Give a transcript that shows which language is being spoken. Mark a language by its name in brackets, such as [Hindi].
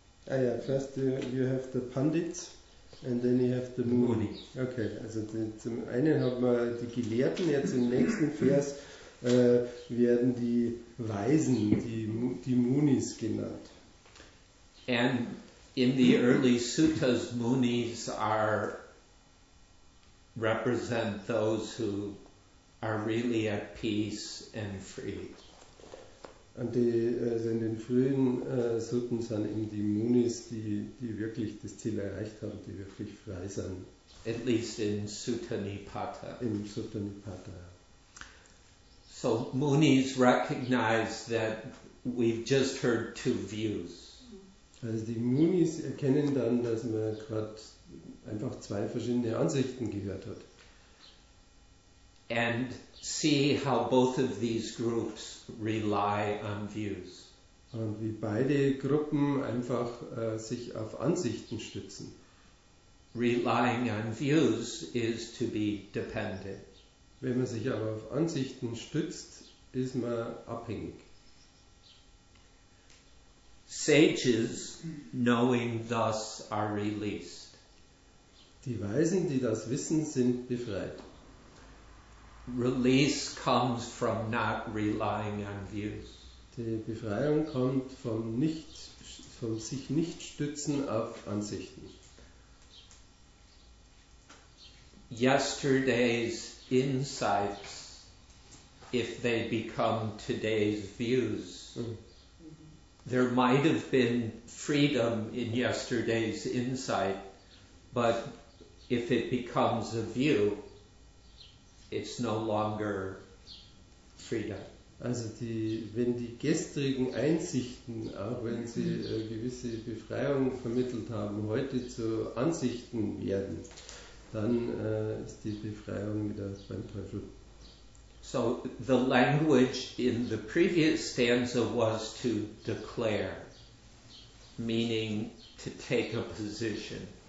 [English] Ah yeah, first you have the pandits and then you have the muni. [German] Okay, also zum einen haben wir die Gelehrten, jetzt im nächsten Vers werden die Weisen, die Munis genannt. [English] And in the early suttas, munis represent those who are really at peace and free. [German] Und die sind in den frühen Sutten sind eben die Munis, die wirklich das Ziel erreicht haben, die wirklich frei sind. [English] At least in Sutta Nipata. [German] In Sutta Nipata. [English] So Munis recognize that we've just heard two views. [German] Also die Munis erkennen dann, dass man gerade einfach zwei verschiedene Ansichten gehört hat. [English] And see how both of these groups rely on views. [German] Und wie beide Gruppen einfach sich auf Ansichten stützen. [English] Relying on views is to be dependent. [German] Wenn man sich aber auf Ansichten stützt, ist man abhängig. [English] Sages, knowing thus, are released. [German] Die Weisen, die das wissen, sind befreit. [English] Release comes from not relying on views. [German] Die Befreiung kommt vom sich nicht stützen auf Ansichten. [English] Yesterday's insights, if they become today's views, there might have been freedom in yesterday's insight, but if it becomes a view, it's no longer freedom. [German] Also wenn die gestrigen Einsichten, auch wenn sie gewisse Befreiung vermittelt haben, heute zu Ansichten werden, dann ist die Befreiung wieder beim Teufel. [English] So the language in the previous stanza was to declare, meaning to take a position.